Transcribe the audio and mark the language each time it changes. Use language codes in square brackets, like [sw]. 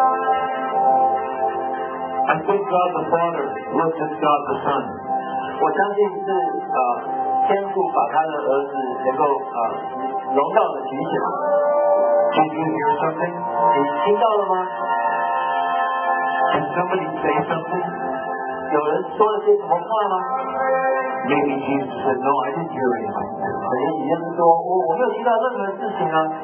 [en] I think God the Father looks at God the Son. [zh] 我相信是天父把他的儿子能够荣耀的举起来。 [en] Did you hear something? [zh] 你听到了吗？ [en] Did somebody say something? [zh] 有人说了些什么话吗？ [en] Maybe Jesus said, no, I didn't hear anything like that. [zh] 可能耶稣说，我没有听到任何事情啊。